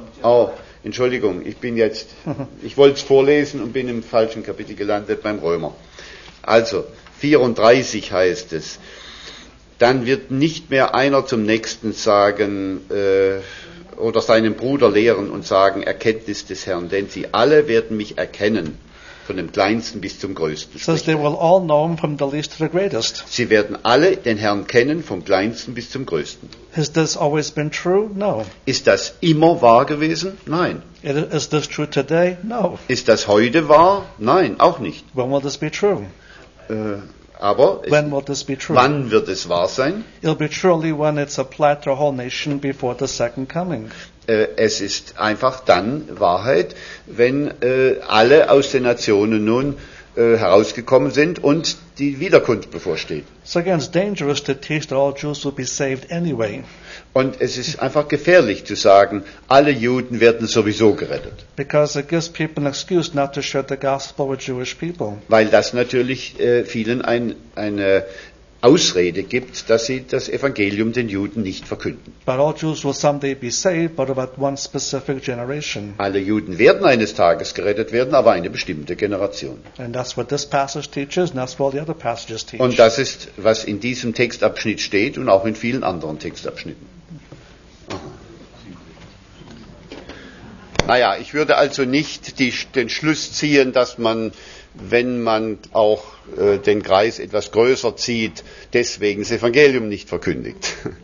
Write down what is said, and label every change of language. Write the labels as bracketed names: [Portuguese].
[German] Oh, Entschuldigung, ich wollte es vorlesen und bin im falschen Kapitel gelandet beim Römer. Also, 34 heißt es, dann wird nicht mehr einer zum nächsten sagen... oder seinem Bruder lehren und sagen, Erkenntnis des Herrn, denn sie alle werden mich erkennen, von dem Kleinsten bis zum Größten. [English] So they will all know him from the least to the greatest. [German] Sie werden alle den Herrn kennen, vom Kleinsten bis zum Größten. [English] Has this always been true? No. [German] Ist das immer wahr gewesen? Nein. [English] Is this true today? No. [German] Ist das heute wahr? Nein, auch nicht. [English] When will this be true? [German] Aber [English] when will this be true? [German] Wann wird es wahr sein? [English] It'll be truly when it's applied to a whole nation before the second coming. [German] Es ist einfach dann Wahrheit, wenn alle aus den Nationen nun herausgekommen sind und die Wiederkunft bevorsteht. [English] So again, it's dangerous to teach that all Jews will be saved anyway. [German] Und es ist einfach gefährlich zu sagen, alle Juden werden sowieso gerettet. [English] Because it gives people an excuse not to share the gospel with Jewish people. [German] Weil das natürlich vielen eine Ausrede gibt, dass sie das Evangelium den Juden nicht verkünden. [English] But all Jews will someday be saved, but about one specific generation. [German] Alle Juden werden eines Tages gerettet werden, aber eine bestimmte Generation. [English] And that's what this passage teaches, and that's what all the other passages teach. [German] Und das ist, was in diesem Textabschnitt steht und auch in vielen anderen Textabschnitten. Naja, ich würde also nicht den Schluss ziehen, dass man, wenn man auch den Kreis etwas größer zieht, deswegen das Evangelium nicht verkündigt.